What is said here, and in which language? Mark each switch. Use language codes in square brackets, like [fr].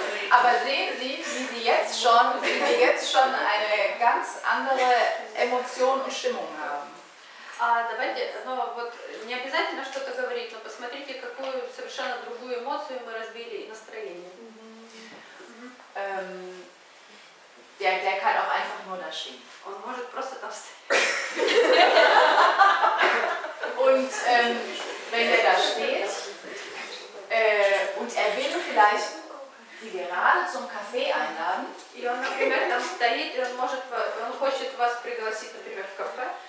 [de] Aber sehen Sie, wie Sie jetzt schon, eine ganz andere Emotion und Stimmung haben. [ru] Давайте, ну вот не обязательно что-то говорить, но посмотрите, какую совершенно другую эмоцию мы разбили и настроение. [de] Der kann auch einfach nur da stehen. [ru] Он может просто там стоять. [de] Und wenn er da steht und er will vielleicht Sie gerade zum Kaffee einladen. [ru] И он, например, там стоит, и он может, он хочет вас пригласить, например, в кафе.